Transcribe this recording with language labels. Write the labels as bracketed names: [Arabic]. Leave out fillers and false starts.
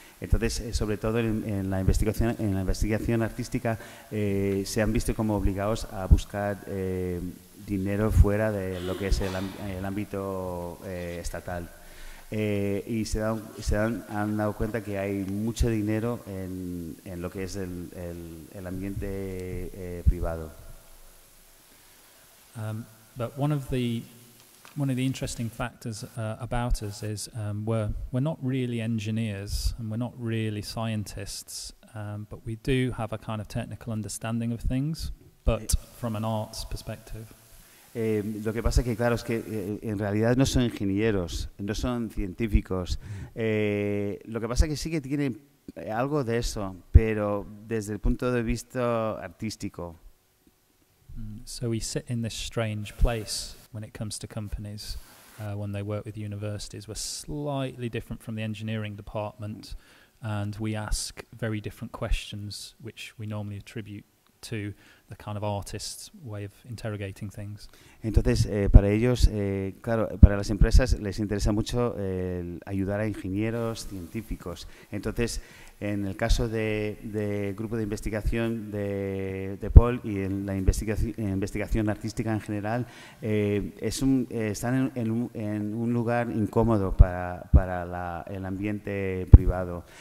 [Spanish] Entonces, sobre todo en la investigación artística, se han visto como obligados a buscar dinero fuera de lo que es el ámbito estatal. Y se han dado cuenta que hay mucho dinero en lo que es el ambiente privado. [English] But one of the interesting factors about us is we're not really engineers and we're not really scientists, but we do have a kind of technical understanding of things, but from an arts perspective. [Spanish] Lo que pasa es que, claro, es que en realidad no son ingenieros, no son científicos. Lo que pasa es que sí que tienen algo de eso, pero desde el punto de vista artístico. [English] So we sit in this strange place when it comes to companies, when they work with universities. We're slightly different from the engineering department, and we ask very different questions, which we normally attribute to the kind of artist's way of interrogating things. [Spanish] Entonces, para ellos, claro, para las empresas les interesa mucho ayudar a ingenieros, científicos. Entonces, en el caso de grupo de investigación de Paul y en la investigación artística en general, están en un lugar incómodo para el ambiente privado.